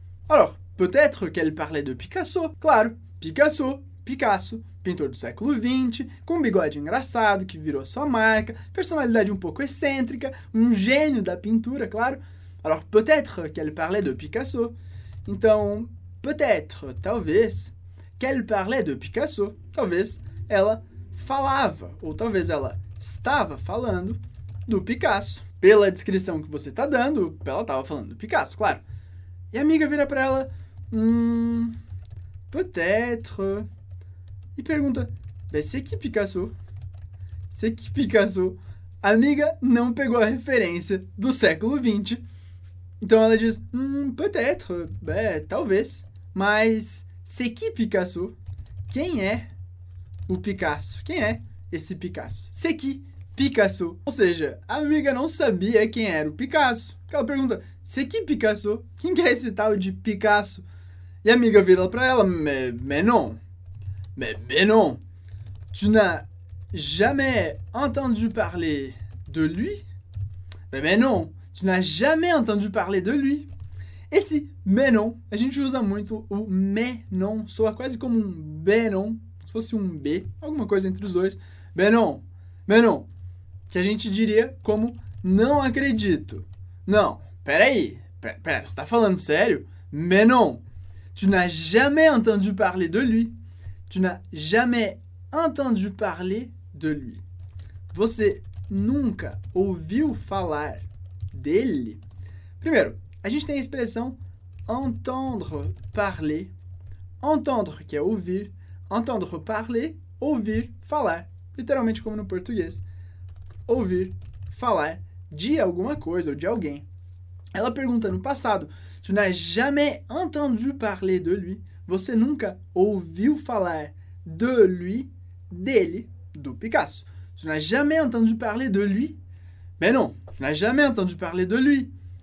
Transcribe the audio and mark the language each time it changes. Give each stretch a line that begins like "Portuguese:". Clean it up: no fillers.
French: Alors, peut-être qu'elle parlait de Picasso.
Portuguese: Claro, Picasso, Picasso, pintor do século XX, com um bigode engraçado que virou a sua marca, personalidade um pouco excêntrica, um gênio da pintura, claro.
French: Alors, peut-être qu'elle parlait de Picasso. Então, peut-être, talvez, qu'elle parlait de Picasso.
Portuguese: Talvez ela falava, ou talvez ela estava falando do Picasso. Pela descrição que você está dando, ela estava falando do Picasso, claro. E a amiga vira para ela, peut-être, e pergunta,
French: mais c'est qui Picasso? C'est qui Picasso?
Portuguese: A amiga não pegou a referência do século XX. Então ela diz, peut-être, talvez, mas
French: c'est qui Picasso?
Portuguese: Quem é o Picasso? Quem é esse Picasso?
French: C'est qui Picasso?
Portuguese: Ou seja, a amiga não sabia quem era o Picasso. Ela pergunta,
French: c'est qui Picasso?
Portuguese: Quem que é esse tal de Picasso? E a amiga vira pra ela,
French: mais non, tu n'as jamais entendu parler de lui? Mais non. Tu n'as jamais entendu parler de lui.
Portuguese: Esse
French: mais non,
Portuguese: a gente usa muito o mais non, soa quase como um
French: ben non,
Portuguese: se fosse um B, alguma coisa entre os dois.
French: Mais non,
Portuguese: que a gente diria como não acredito. Não, peraí, você tá falando sério?
French: Mais non, tu n'as jamais entendu parler de lui. Tu n'as jamais entendu parler de lui.
Portuguese: Você nunca ouviu falar dele? Primeiro, a gente tem a expressão
French: entendre parler.
Portuguese: Entendre, que é ouvir. Entendre parler, ouvir falar. Literalmente como no português. Ouvir falar de alguma coisa ou de alguém. Ela pergunta no passado,
French: tu n'as jamais entendu parler de lui?
Portuguese: Você nunca ouviu falar de lui, dele, do Picasso?
French: Tu n'as jamais entendu parler de lui? Mais non, tu n'as jamais entendu parler de lui.